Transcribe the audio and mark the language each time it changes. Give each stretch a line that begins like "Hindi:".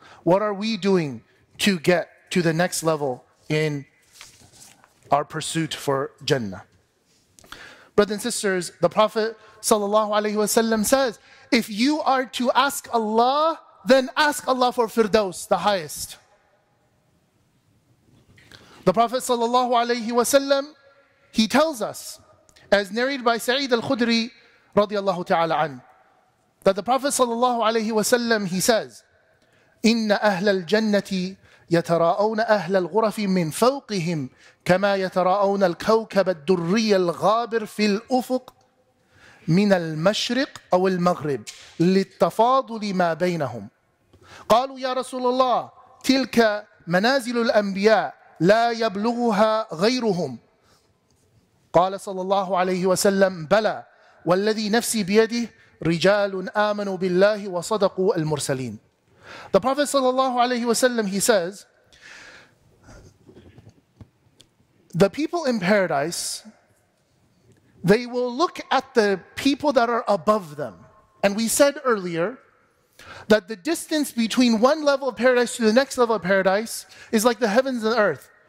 English: What are we doing to get to the next level in our pursuit for Jannah? Brothers and sisters, the Prophet ﷺ says, if you are to ask Allah, then ask Allah for Firdaus, the highest. The Prophet ﷺ, he tells us, as narrated by Sa'id al-Khudri radiallahu ta'ala an, that the Prophet ﷺ, he says,
Arabic: إِنَّ أَهْلَ الْجَنَّةِ يَتَرَاءُونَ أَهْلَ الْغُرَفِ مِنْ فَوْقِهِمْ كَمَا يَتَرَاءُونَ الْكَوْكَبَ الدُّرِّيَّ الْغَابِرِ فِي الْأُفُقِ من المشرق أو المغرب للتفاضل ما بينهم قالوا يا رسول الله تلك منازل الأنبياء لا يبلغها غيرهم قال صلى الله عليه وسلم بلى والذي نفسي بيده رجال آمنوا بالله وصدقوا المرسلين.
English: The Prophet صلى الله عليه وسلم, he says, the people in paradise, they will look at the people that are above them. And we said earlier that the distance between one level of paradise to the next level of paradise is like the heavens and the earth.